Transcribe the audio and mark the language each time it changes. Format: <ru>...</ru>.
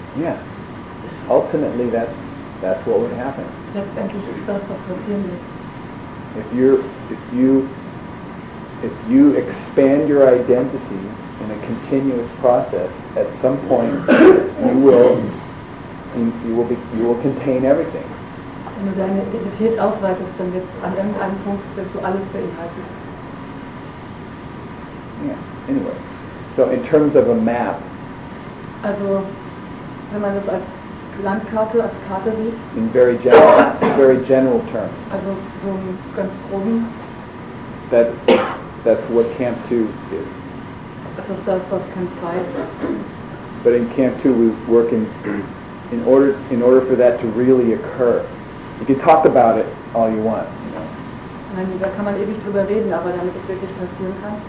<en>Yeah. Ultimately, that's what would happen.</en> <de>Letztendlich ist das, was passieren wird.</de> <en>If you expand your identity in a continuous process, at some point you will contain everything.</en> <de>Wenn du deine Identität ausweitest, dann wird an irgendeinem Punkt wirst du alles beinhalten.</de> <en>Yeah, anyway. So in terms of a map.</en> <de>Also, wenn man das als Landkarte, als Karte sieht.</de> <en>In very general terms.</en> <de>Also so im ganz groben.</de> <en>That's what Camp 2 is.</en> <de>Das ist das, was Camp 2 ist.</de> <en>But in Camp 2 we work in order for that to really occur. You can talk about it all you want, you know.</en> <de>Da kann man ewig drüber reden, aber damit es wirklich passieren kann.</de>